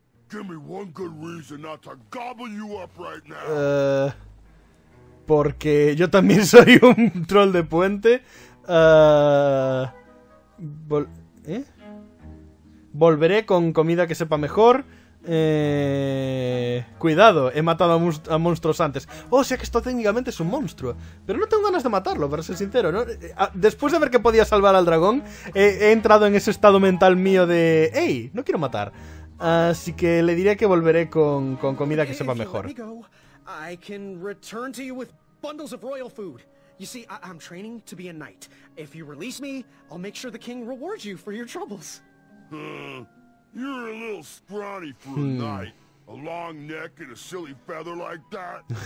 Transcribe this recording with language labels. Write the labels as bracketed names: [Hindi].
[English] Give me one good reason not to gobble you up right now. [Spanish] Porque yo también soy un troll de puente. Volveré con comida que sepa mejor. Cuidado, he matado a monstruos antes. O sea que esto técnicamente es un monstruo. Pero no tengo ganas de matarlo, para ser sincero, ¿no? Después de ver que podía salvar al dragón, he entrado en ese estado mental mío de... ¡Ey! No quiero matar. Así que le diré que volveré con comida que sepa mejor. [English] I can return to you with bundles of royal food. You see, I'm training to be a knight. If you release me, I'll make sure the king rewards you for your troubles. You're a little scrawny for a knight. A long neck and a silly feather like that.